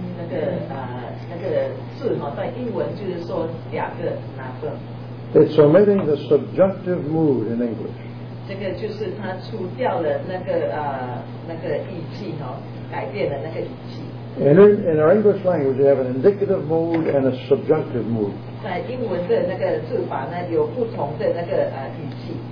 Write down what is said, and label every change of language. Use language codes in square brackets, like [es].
[zh] 那个字在英文就是说两个哪个。 [en] It's omitting the subjunctive mood in English. [zh] 这个就是它除掉了那个语气，改变了那个语气。 [en] In our English language, you have an indicative mood and a subjunctive mood. [zh] 在英文的那个字法呢，有不同的那个语气。